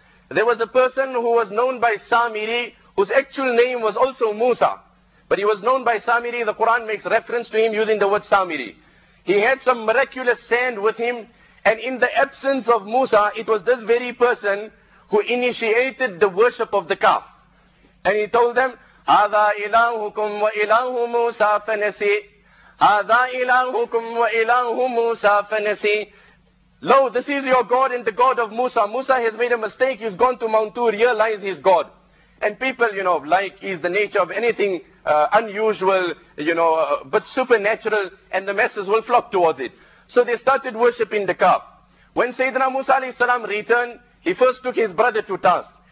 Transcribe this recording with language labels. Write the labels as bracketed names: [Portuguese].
[English] There was a person who was known by Samiri, whose actual name was also Musa. But he was known by Samiri, the Quran makes reference to him using the word Samiri. He had some miraculous sand with him. And in the absence of Musa, it was this very person who initiated the worship of the calf. And he told them, [Arabic] هذا إلهكم وإله موسى فنسي. هذا إلهكم وإله موسى فنسي. [English] Lo, this is your God and the God of Musa. Musa has made a mistake. He's gone to Mount Tur, realize his God. And people, you know, like is the nature of anything unusual, you know, but supernatural, and the masses will flock towards it. So they started worshipping the calf. When Sayyidina Musa alayhi salam returned, he first took his brother to task.